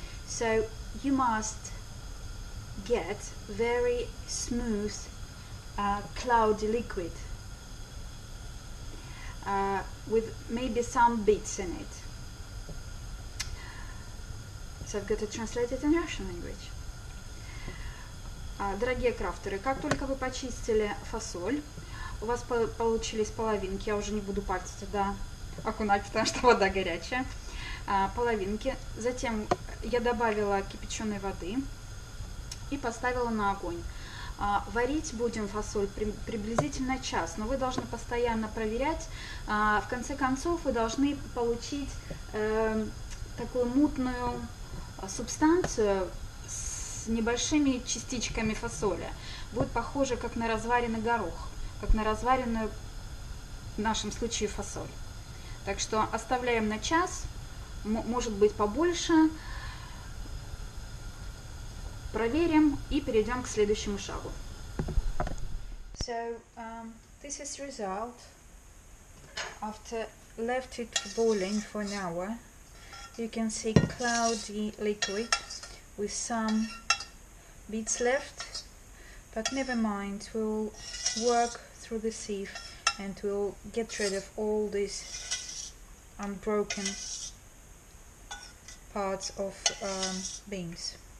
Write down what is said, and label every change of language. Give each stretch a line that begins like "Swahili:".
English: So you must get very smooth cloudy liquid with maybe some bits in it. So I've got to translate it in Russian language.
Russian: Дорогие крафтеры, как только вы почистили фасоль, у вас получились половинки, я уже не буду пальцы туда окунать, потому что вода горячая. Половинки. Затем я добавила кипяченой воды и поставила на огонь. Варить будем фасоль приблизительно час, но вы должны постоянно проверять. В конце концов вы должны получить такую мутную субстанцию с небольшими частичками фасоли. Будет похоже как на разваренный горох. Как на разваренную в нашем случае фасоль. Так что оставляем на час, может быть побольше. Проверим и перейдем к следующему шагу.
English: So, this is result. After left it boiling for an hour, you can see cloudy liquid with some bits left. But never mind, we'll work through the sieve and we'll get rid of all these unbroken parts of beans.